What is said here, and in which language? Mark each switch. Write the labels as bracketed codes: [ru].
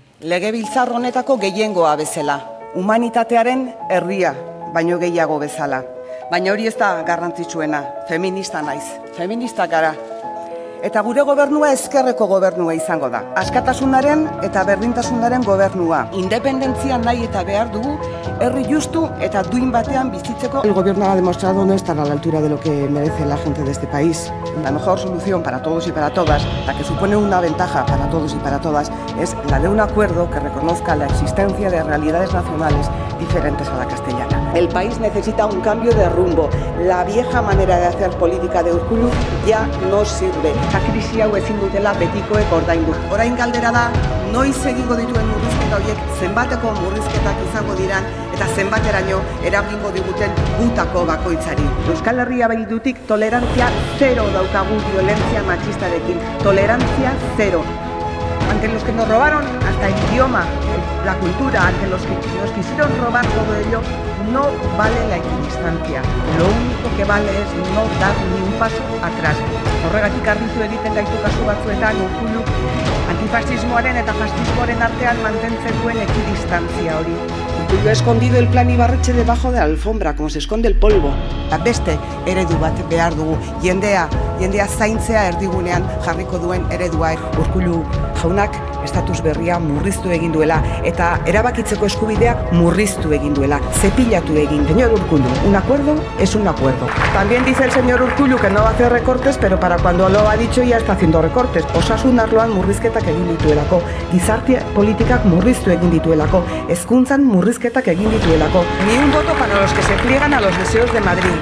[eu] Legebiltzar honetako gehiengoa bezala, humanitatearen erdia, baino gehiago bezala. Baina hori ez da garrantzitsuena, feminista naiz, feminista gara. Eta gure gobernua ezkerreko gobernua izango da. Askatasunaren eta berdintasunaren gobernua. Independentzia nahi eta behar dugu, herri justu eta duin batean bizitzeko. [es] El gobierno ha demostrado no estar a la altura de lo que merece la gente de este país. La mejor solución para todos y para todas, la que supone una ventaja para todos y para todas, es la de un acuerdo que reconozca la existencia de realidades nacionales diferentes a la castellana. El país necesita un cambio de rumbo. La vieja manera de hacer política de Urkullu ya no sirve. [eu] Eta krisi hau ezin dutela betikoek ordaindu. Orain galdera da, noiz egingo dituen murrizketa horiek zenbateko murrizketak izango diran eta zenbateraino eragingo diguten gutako bakoitzari. Euskal Herria Bildutik tolerantzia zero daukagu violentzia matxistarekin. Tolerantzia zero. [es] Ante los que nos robaron hasta el idioma, la cultura, ante los que nos quisieron robar todo ello, no vale la equidistancia. Lo único que vale es no dar ni un paso atrás. [eu] Horregatik argitu egiten gaitu kasu batzuetan Urkulluk antifasismoaren eta fasismoaren artean mantentzen duen ekidistantzia hori. [es] Urkullu ha escondido el plan Ibarretxe debajo de la alfombra, como se esconde el polvo. [eu] La beste eredu bat behar dugu, jendea zaintzea erdigunean jarriko duen eredua. Urkullu jaunak estatus berria murriztu egin duela eta erabakitzeko eskubideak murriztu egin duela, zepilatu egin. [es] Señor Urkullu, un acuerdo es un acuerdo. También dice el señor Urkullu que no va a hacer recortes, pero para cuando lo ha dicho ya está haciendo recortes. [eu] Osasun arloan murrizketak egin dituelako, gizarte politikak murriztu egin dituelako, hezkuntzan murrizketak egin dituelako. [es] Ni un voto para los que se pliegan a los deseos de Madrid.